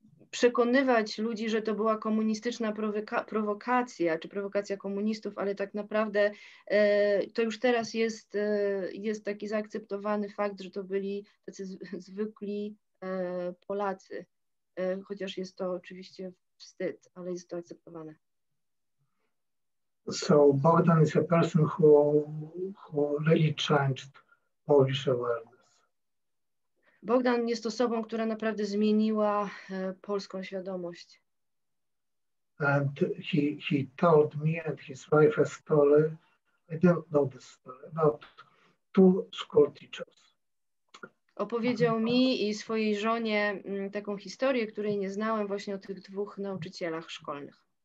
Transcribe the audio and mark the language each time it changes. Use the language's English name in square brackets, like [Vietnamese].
[Polish] przekonywać ludzi, że to była komunistyczna prowokacja, czy prowokacja komunistów, ale tak naprawdę to już teraz jest taki zaakceptowany fakt, że to byli tacy zwykli Polacy. Chociaż jest to oczywiście wstyd, ale jest to akceptowane. [English] So Bogdan is a person who really changed Polish awareness. [Polish] Bogdan jest osobą, która naprawdę zmieniła polską świadomość. [English] And he told me and his wife a story. I don't know the story about two school teachers. [Polish] Opowiedział mi i swojej żonie taką historię, której nie znałem, właśnie o tych dwóch nauczycielach szkolnych.